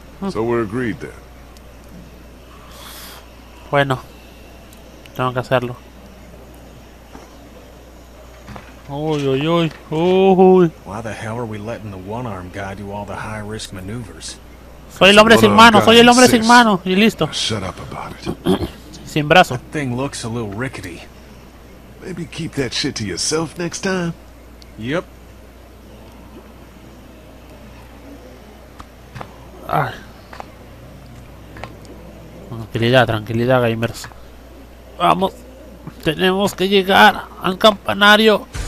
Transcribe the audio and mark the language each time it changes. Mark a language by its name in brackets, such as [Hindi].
[English] So we're agreed then. [Spanish] Bueno, tengo que hacerlo. Uy, uy, uy, uy. [English] Why the hell are we letting the one-armed guy do all the high-risk maneuvers? [Spanish] Soy el hombre sin mano, soy el hombre sin mano, y listo. [English] Shut up about it. [Spanish] Sin brazo. [English] That thing looks a little rickety. Maybe keep that shit to yourself next time. Yep. Ay. [Spanish] Tranquilidad, tranquilidad, gamers. Vamos. Tenemos que llegar al campanario.